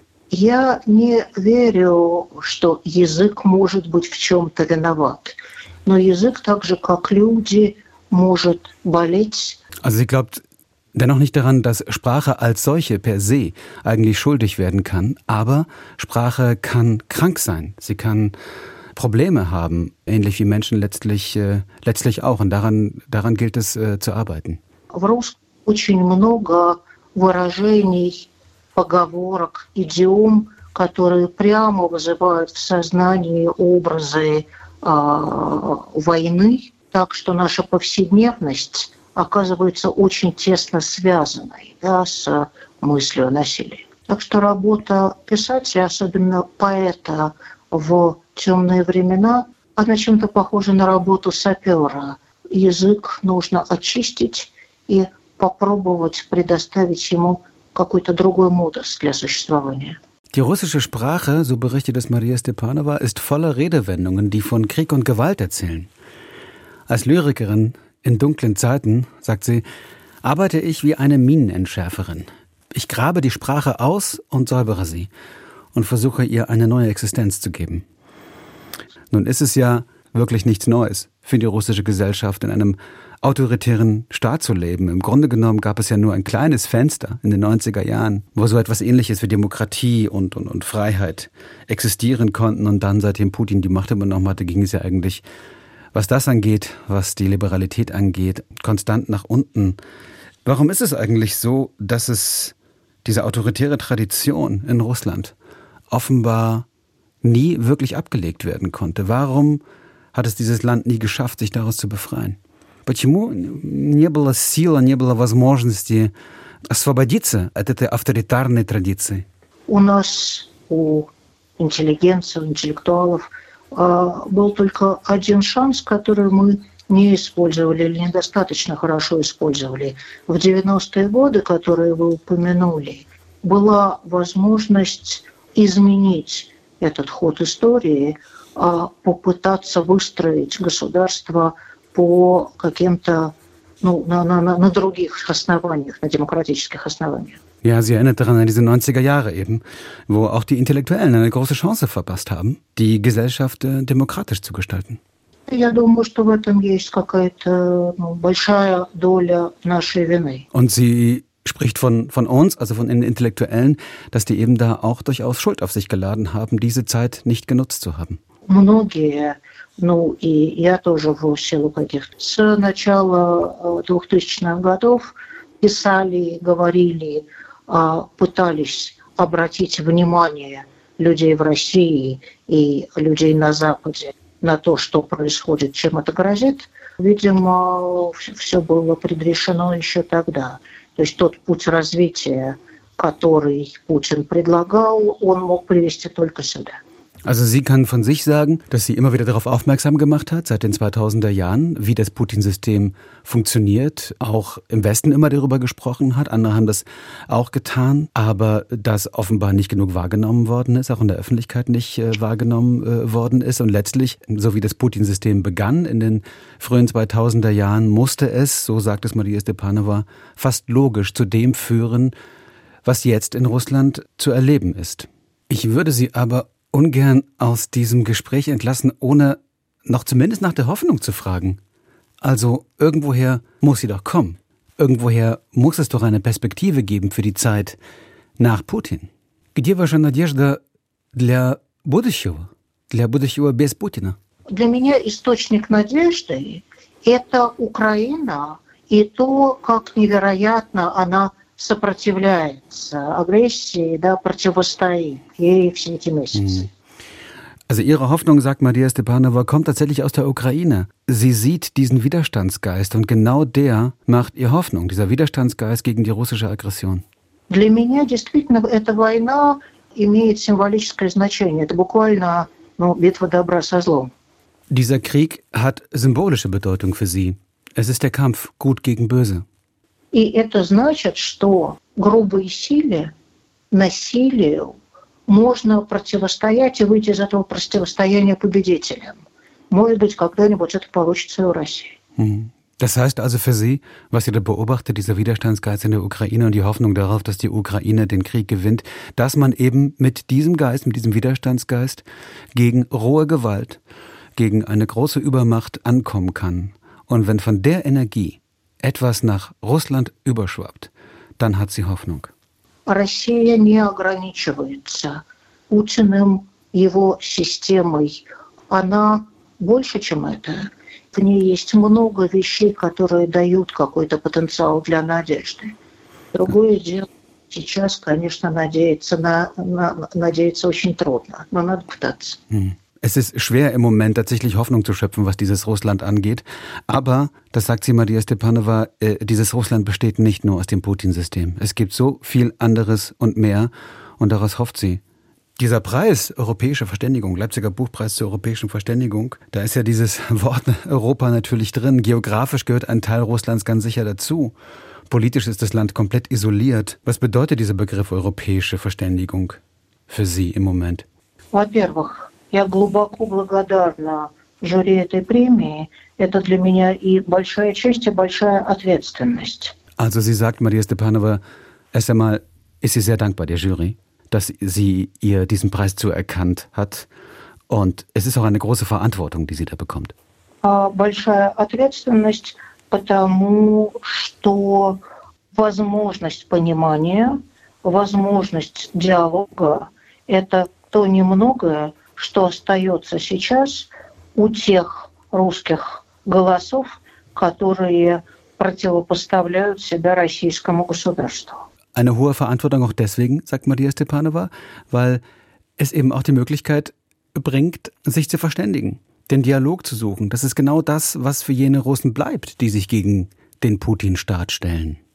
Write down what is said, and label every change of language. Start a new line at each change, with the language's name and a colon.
Russian: Я не верю, что язык может быть в чем-то виноват. Но язык так же, как люди, может болеть.
German: Also Sie glaubt dennoch nicht daran, dass Sprache als solche per se eigentlich schuldig werden kann. Aber Sprache kann krank sein. Sie kann Probleme haben, ähnlich wie Menschen letztlich auch. Und daran gilt es zu arbeiten.
Russian: В русском очень много выражений, поговорок, идиом, которые прямо вызывают в сознании образы войны, так что наша повседневность оказывается очень тесно связанной, да, с мыслью о насилии. Так что работа писателя, особенно поэта, в темные времена, она чем-то похожа на работу сапера. Язык нужно очистить и попробовать предоставить ему какой-то другой модус для существования.
German: Die russische Sprache, so berichtet es Maria Stepanova, ist voller Redewendungen, die von Krieg und Gewalt erzählen. Als Lyrikerin in dunklen Zeiten, sagt sie, arbeite ich wie eine Minenentschärferin. Ich grabe die Sprache aus und säubere sie und versuche ihr eine neue Existenz zu geben. Nun ist es ja wirklich nichts Neues für die russische Gesellschaft, in einem autoritären Staat zu leben. Im Grunde genommen gab es ja nur ein kleines Fenster in den 90er Jahren, wo so etwas Ähnliches wie Demokratie und Freiheit existieren konnten. Und dann, seitdem Putin die Macht übernommen hatte, ging es ja eigentlich, was das angeht, was die Liberalität angeht, konstant nach unten. Warum ist es eigentlich so, dass es diese autoritäre Tradition in Russland offenbar nie wirklich abgelegt werden konnte? Warum hat es dieses Land nie geschafft, sich daraus zu befreien?
Russian: Почему не было сил, не было возможности освободиться от этой авторитарной традиции? У нас, у интеллигенции, у интеллектуалов, был только один шанс, который мы не использовали или недостаточно хорошо использовали. В 90-е годы, которые вы упомянули, была возможность изменить этот ход истории, попытаться выстроить государство по каким-то, ну, на других основаниях, на демократических основаниях.
German: Ja, sie erinnert daran an diese 90er Jahre eben, wo auch die Intellektuellen eine große Chance verpasst haben, die Gesellschaft demokratisch zu gestalten.
Russian: Я думаю, что в этом есть какая-то большая доля нашей вины.
German: Und sie spricht von uns, also von den Intellektuellen, dass die eben da auch durchaus Schuld auf sich geladen haben, diese Zeit nicht genutzt zu haben.
Russian: Многие, ну и я тоже в силу каких-то, с начала 2000-х годов писали, говорили, пытались обратить внимание людей в России и людей на Западе на то, что происходит, чем это грозит. Видимо, все было предрешено еще тогда. То есть тот путь развития, который Путин предлагал, он мог привести только сюда.
German: Also sie kann von sich sagen, dass sie immer wieder darauf aufmerksam gemacht hat, seit den 2000er Jahren, wie das Putin-System funktioniert, auch im Westen immer darüber gesprochen hat, andere haben das auch getan, aber das offenbar nicht genug wahrgenommen worden ist, auch in der Öffentlichkeit nicht wahrgenommen worden ist und letztlich, so wie das Putin-System begann in den frühen 2000er Jahren, musste es, so sagt es Maria Stepanova, fast logisch zu dem führen, was jetzt in Russland zu erleben ist. Ich würde sie aber ungern aus diesem Gespräch entlassen, ohne noch zumindest nach der Hoffnung zu fragen. Also irgendwoher muss sie doch kommen. Irgendwoher muss es doch eine Perspektive geben für die Zeit nach Putin.
Russian: Где ваша надежда для будущего без Путина? Для меня источник надежды – это Украина и то, как невероятно она сопротивляется агрессии, да, противостоит ей все эти месяцы.
German: Also ihre Hoffnung, sagt Maria Stepanova, kommt tatsächlich aus der Ukraine. Sie sieht diesen Widerstandsgeist und genau der macht ihr Hoffnung, dieser Widerstandsgeist gegen die russische Aggression.
Russian: Для меня действительно эта война имеет символическое значение. Это буквально, ну, битва добра со злом.
German: Dieser Krieg hat symbolische Bedeutung für sie. Es ist der Kampf gut gegen böse.
Russian: И это значит, что грубые силы, насилию можно противостоять и выйти из этого противостояния победителем. Может быть, когда-нибудь это получится и в России.
German: Das heißt also für Sie, was Sie da beobachtet, dieser Widerstandsgeist in der Ukraine und die Hoffnung darauf, dass die Ukraine den Krieg gewinnt, dass man eben mit diesem Geist, mit diesem Widerstandsgeist gegen rohe Gewalt, gegen eine große Übermacht ankommen kann. Und wenn von der Energie etwas nach Russland überschwappt, dann hat sie Hoffnung.
Russian: Россия не ограничивается Путиным, его системой она больше, чем это. В ней есть много вещей, которые дают какой-то потенциал для надежды. Другое дело, сейчас, конечно, надеяться очень трудно, но надо пытаться.
German: Es ist schwer im Moment tatsächlich Hoffnung zu schöpfen, was dieses Russland angeht. Aber, das sagt sie Maria Stepanova, dieses Russland besteht nicht nur aus dem Putin-System. Es gibt so viel anderes und mehr und daraus hofft sie. Dieser Preis, Europäische Verständigung, Leipziger Buchpreis zur europäischen Verständigung, da ist ja dieses Wort Europa natürlich drin. Geografisch gehört ein Teil Russlands ganz sicher dazu. Politisch ist das Land komplett isoliert. Was bedeutet dieser Begriff europäische Verständigung für Sie im Moment?
Russian: Во-первых, я глубоко благодарна жюри этой премии. Это для меня и большая честь, и большая ответственность.
German: Also sie sagt, Maria Stepanova, erst einmal ist sie sehr dankbar der Jury, dass sie ihr diesen Preis zuerkannt hat. Und es ist auch eine große Verantwortung, die sie da bekommt.
Russian: Большая ответственность, потому что возможность понимания, возможность диалога – это то немногое, что остается сейчас у тех русских голосов, которые противопоставляют себя российскому государству.
German: Eine hohe Verantwortung auch deswegen, sagt Maria Stepanova, weil es eben auch die Möglichkeit bringt, sich zu verständigen, den Dialog zu suchen. Das ist genau das, was für jene Russen bleibt, die sich gegen den Putin-Staat stellen.